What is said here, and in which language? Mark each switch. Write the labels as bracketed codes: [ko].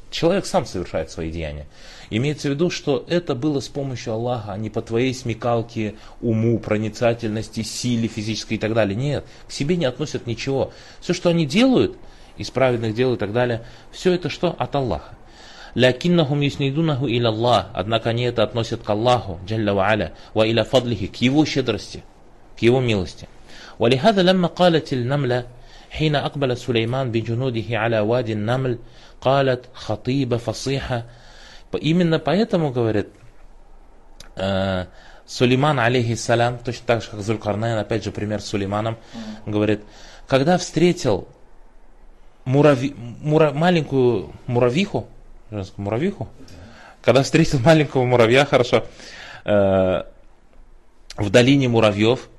[ru] Человек сам совершает свои деяния. Имеется в виду, что это было с помощью Аллаха, а не по твоей смекалке, уму, проницательности, силе физической и так далее. Нет. К себе не относят ничего. Все, что они делают, из праведных дел и так далее, все это что? От Аллаха. [ar] «Лякиннахум юснидунаху иля Аллах». [ru] Однако они это относят к Аллаху, джалля ва аля, [ar] ва иля фадлихи, [ru] к его щедрости. К его милости. [ar] ولهذا لما قالت النملة حين أقبل سليمان بجنوده على وادي النمل قالت خطيبة فصيحة. [ru] Именно поэтому говорит Сулейман алейхи салям, точно так же как Зулькарнайн, опять же пример с Сулейманом, говорит, когда встретил маленькую муравьиху, когда встретил маленького муравья, хорошо, в долине муравьев.